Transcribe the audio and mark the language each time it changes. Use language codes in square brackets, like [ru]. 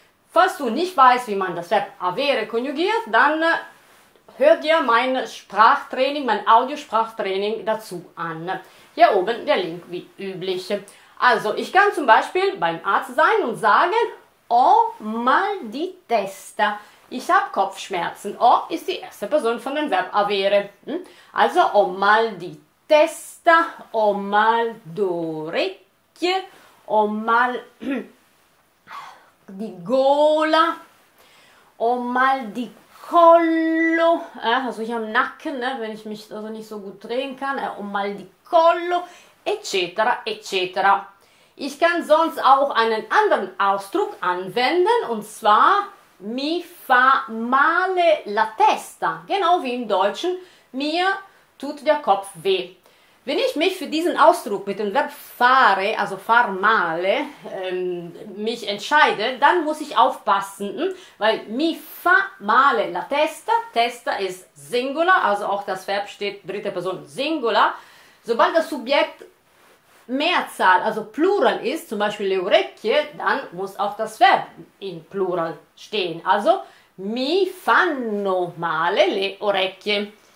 [de] Falls du nicht weißt, wie man das Verb avere konjugiert, dann hör dir mein Sprachtraining, mein Audiosprachtraining dazu an. Hier oben der Link, wie üblich. Also, ich kann zum Beispiel beim Arzt sein und sagen: [it] Ho mal di testa. [de] Ich habe Kopfschmerzen. Ho ist die erste Person von dem Verb avere. [it] Also, ho mal di testa, ho mal d'orecchie, ho mal di gola, ho mal di collo. [de] Also, hier am Nacken, ne, wenn ich mich also nicht so gut drehen kann, [it] ho mal di collo, eccetera, eccetera. [de] Ich kann sonst auch einen anderen Ausdruck anwenden, und zwar [it] mi fa male la testa. [de] Genau wie im Deutschen, mir tut der Kopf weh. Wenn ich mich für diesen Ausdruck mit dem Verb fare, also far male, mich entscheide, dann muss ich aufpassen, weil [it] mi fa male la testa, [de] testa ist Singular, also auch das Verb steht dritte Person Singular. Sobald das Subjekt Mehrzahl, also Plural ist, zum Beispiel le orecchie, dann muss auch das Verb in Plural stehen. [it] Also, mi fanno male le orecchie.